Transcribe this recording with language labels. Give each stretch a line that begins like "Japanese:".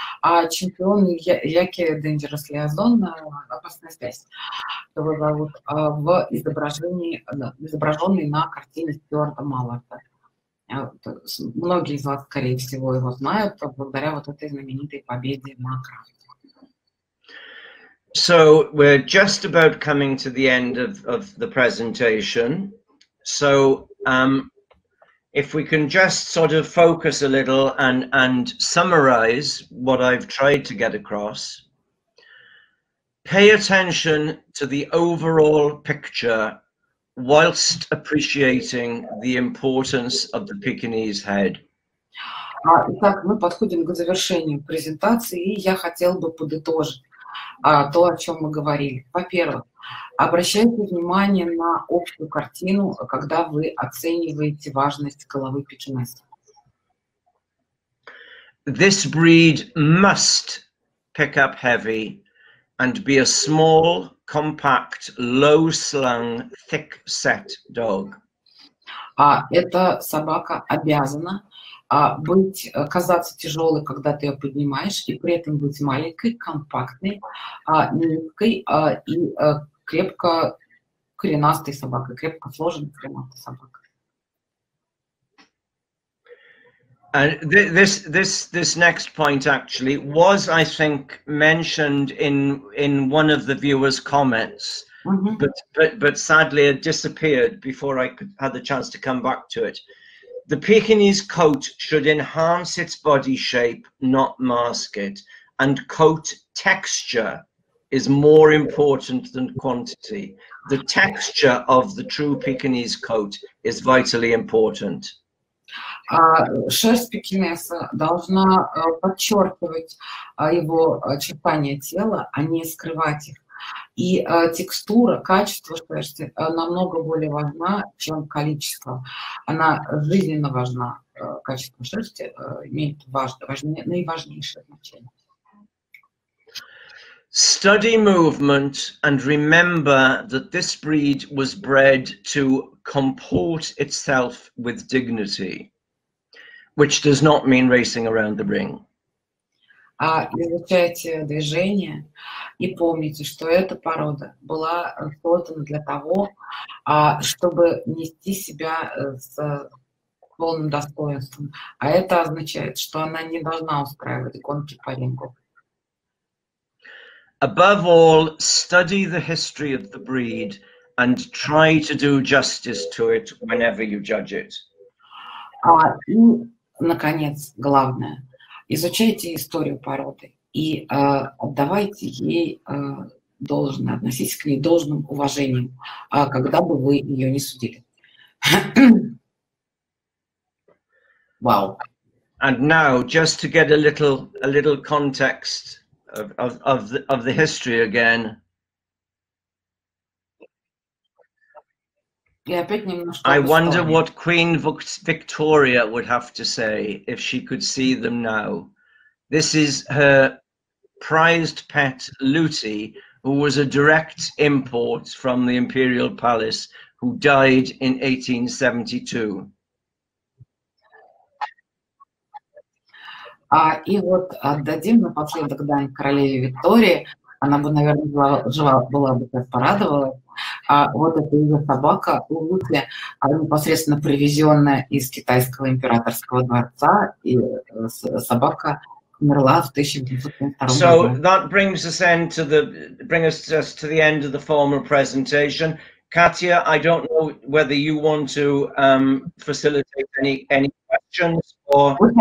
Russian: А чемпион Яки Дэнджерос Лиазон, опасная связь, его зовут, в изображении, изображенный на картине Стюарта Малларда. Многие из вас, скорее всего, его знают благодаря вот этой знаменитой победе на Крафте.
English: So we're just about coming to the end of the presentation. So if we can just sort of focus a little and summarize what I've tried to get across. Pay attention to the overall picture whilst appreciating the importance of the Pekingese head.
Russian: Итак, мы подходим к завершению презентации, и я хотел бы подытожить то, о чем мы говорили. Во-первых, обращайте внимание на общую картину, когда вы оцениваете важность головы пекинеса.
English: This breed must pick up heavy and be a small, compact, low-slung, thick-set dog.
Russian: Эта собака обязана быть, казаться тяжелой, когда ты ее поднимаешь, и при этом быть маленькой, компактной, мягкой и крепко коренастой собакой, крепко сложенной коренастой собакой.
English: And this next point actually was, I think, mentioned in one of the viewers' comments, mm-hmm. but sadly it disappeared before I could had the chance to come back to it. The Pekingese coat should enhance its body shape, not mask it. And coat texture is more important than quantity. The texture of the true Pekingese coat is vitally important.
Russian: Шерсть пекинеса должна подчеркивать его очертания тела, а не скрывать их. И текстура, качество шерсти намного более важна, чем количество. Она жизненно важна, качество шерсти имеет наиважнейшее значение.
English: Study movement and remember that this breed was bred to comport itself with dignity, which does not mean racing around the ring.
Russian: Изучайте движение и помните, что эта порода была создана для того, чтобы нести себя с полным достоинством. А это означает, что она не должна устраивать гонки по рингу.
English: Above all, study the history of the breed and try to do justice to it whenever you judge it.
Russian: И, наконец, главное. Изучайте историю породы и отдавайте ей должное, относитесь к ней должным уважением, когда бы вы ее не судили. Вау.
English: And now, just to get a little context of the history again. I wonder what Queen Victoria would have to say if she could see them now. This is her prized pet, Luty, who was a direct import from the Imperial Palace, who died in 1872.
Russian: И вот отдадим напоследок дань королеве Виктории. Она бы, наверное, жива была бы, так порадовала. А вот это ее собака Луты, непосредственно привезенная из китайского императорского дворца, и собака умерла в 1972 году.
English: So that brings us end to the bring us just to the end of the formal presentation. Katia, I don't know whether you want to facilitate any questions or.